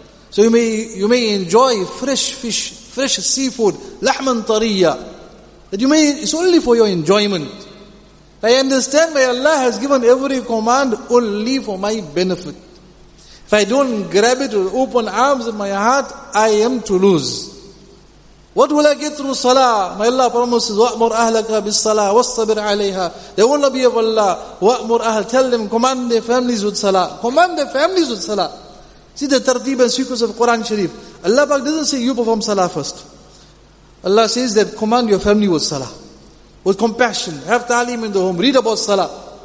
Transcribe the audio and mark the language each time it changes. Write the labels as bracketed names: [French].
[English] So you may enjoy fresh fish, fresh seafood, [Arabic] لَحْمًا طَرِيَّ. [English] That you may, it's only for your enjoyment. I understand my Allah has given every command only for my benefit. If I don't grab it with open arms in my heart, I am to lose. What will I get through salah? My Allah promises, [Arabic] وَأْمُرْ أَهْلَكَ بِالصَّلَاةِ وَالصَّبِرْ عَلَيْهَا. [English] They will not be of Allah. [Arabic] وَأْمُرْ أَهْلَكَ. [English] Tell them, command their families with salah. Command their families with salah. See the tartib and sequence of Quran Sharif. Allah Pak doesn't say you perform salah first. Allah says that command your family with salah. With compassion. Have ta'lim in the home. Read about salah.